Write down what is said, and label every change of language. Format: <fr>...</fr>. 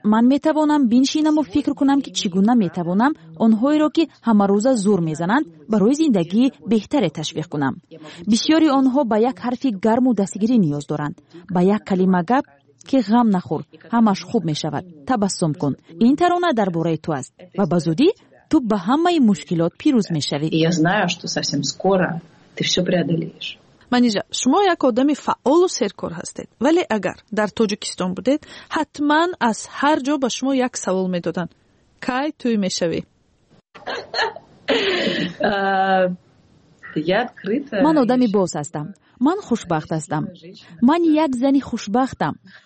<fa>من میتوانم بینشینم و فکر کنم که چگونه میتوانم اونهایی را که همه روز زور میزنند برای زندگی بهتر تشویق کنم. بسیاری آنها با یک حرفی گرم و دستگیری نیاز دارند، با یک کلمه گپ که غم نخور، همش خوب میشود، تبسم کن. این ترانه در باره تو است و بزودی تو به همه مشکلات پیروز میشوید.</fa> <ru>Я знаю, что совсем скоро ты всё преодолеешь.</ru> <fa>منیجا شما یک آدم فعال و سرکار هستید، ولی اگر در تاجیکستان بودید حتما از هر جا به شما یک سوال میدادن. کی توی میشوی؟ من آدمی باز هستم. من خوشبخت هستم. من یک زنی خوشبختم.</fa>